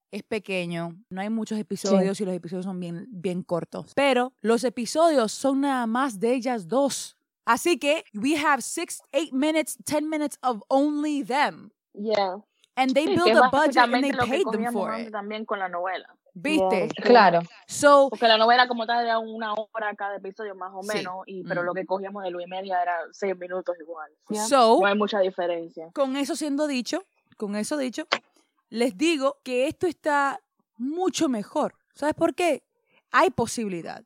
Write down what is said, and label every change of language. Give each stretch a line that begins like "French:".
Spanish: Es pequeño, no hay muchos episodios y los episodios son bien, bien cortos. Pero los episodios son nada más de ellas dos. Así que
English: we have 6, 8 minutes, 10 minutes of only them. Yeah. And they built a budget and they paid them for it.
Spanish: También con la novela. ¿Viste? Yeah. Claro. So, porque la novela como tal era una hora cada episodio más o menos, sí. Y, pero lo que cogíamos de Luis Media era 6 minutos igual. Yeah. So, no hay mucha diferencia. Con eso dicho, les digo que esto está mucho mejor. ¿Sabes por qué? Hay posibilidad.